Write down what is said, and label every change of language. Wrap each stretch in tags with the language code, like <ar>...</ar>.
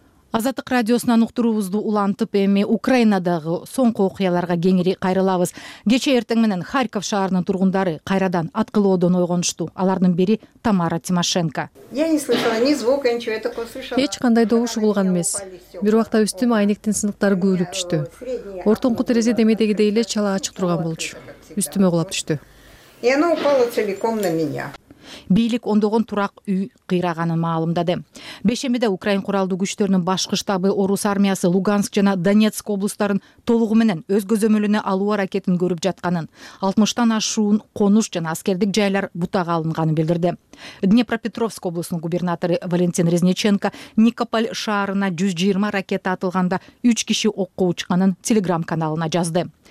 <ky>Азаттык радиосунан уктуруубузду улантып, эми Украинадагы соңку окуяларга кеңири кайрылабыз. Кечээ эртең менен Харьков шаарынын тургундары кайрадан аткылоодон ойгонушту. Алардын бири Тамара Тимошенко.</ky> <ru>Я не слышала ни звука, ничего, я только слышала.</ru> <ky>Эч кандай добуш угулган эмес. Бир убакта үстүмө айнектин сыныктары күйүлүп түштү. Ортоңку терезе демедегидей эле чала ачык турган болчу. Үстүмө кулап түштү.</ky> <ru>И оно упало целиком на меня.</ru> <ky>Бийлик ондогон турак үй кыйраганын маалымдады. Бешембиде Украин куралдуу күчтөрүнүн башкы штабы Орус армиясы Луганск жана Донецк облустарын толугу менен өз көзөмөлүнө алуу аракетин көрүп жатканын, 60 ашуун конуш жана аскердик жайлар бутага алынганын билдирди. Днепропетровск облусунун губернатору Валентин Резниченко Никополь шаарына 120 ракета атылганда 3 киши окко учканын телеграм каналына жазды.</ky>